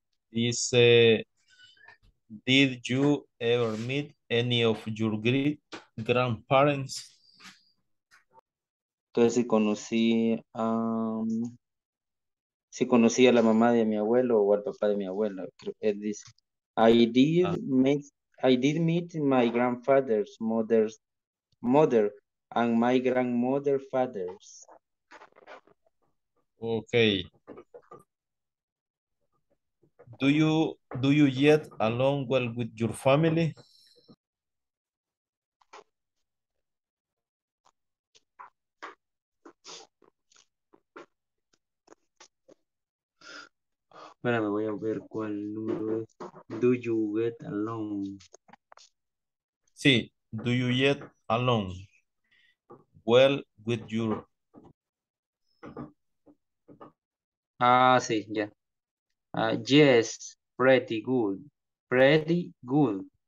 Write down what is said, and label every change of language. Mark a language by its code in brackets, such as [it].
[es] Dice, [en] did you ever meet any of your great grandparents? [es] Entonces, si conocí a la mamá de mi abuelo o al papá de mi abuela, creo que dice. [en] I did meet my grandfather's mother and my grandmother's father's. Okay. Do you get along well with your family? [es] Espera, me voy a ver cuál número es. [en] Do you get along? [es] Sí, [en] do you get along well with your... Ah, [es] sí, ya. [en] Yeah. Yes, pretty good. Pretty good.